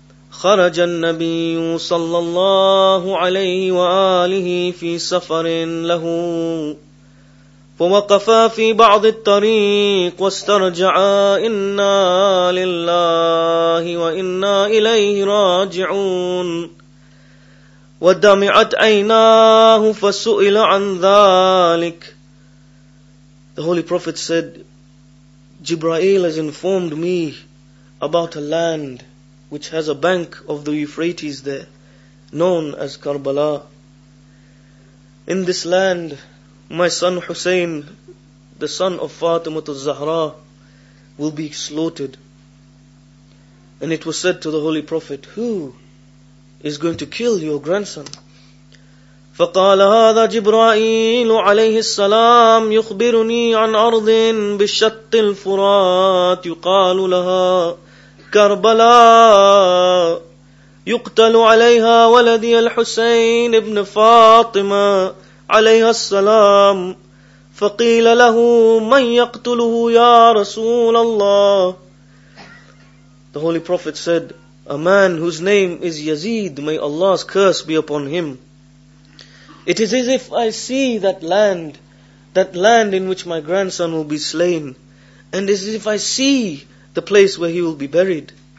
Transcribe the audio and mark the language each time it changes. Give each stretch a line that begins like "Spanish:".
Arabic: خرج النبي صلى الله عليه وآله في سفر له فوقف في بعض الطريق واسترجع إنا لله وإنا إليه راجعون ودمعت عيناه فسئل عن ذلك.
English: The Holy Prophet said, Jibreel has informed me about a land which has a bank of the Euphrates there, known as Karbala. In this land, my son Hussein, the son of Fatimah al-Zahra, will be slaughtered. And it was said to the Holy Prophet, who is going to kill your grandson?
Arabic: فقال هذا جبرائيل عليه السلام يخبرني عن أرض بشط الفرات يقال لها كربلاء يقتل عليها ولدي الحسين ابن فاطمة عليها السلام فقيل له من يقتله يا رسول الله.
English: The Holy Prophet said, a man whose name is Yazid, may Allah's curse be upon him. It is as if I see that land in which my grandson will be slain, and as if I see the place where he will be buried.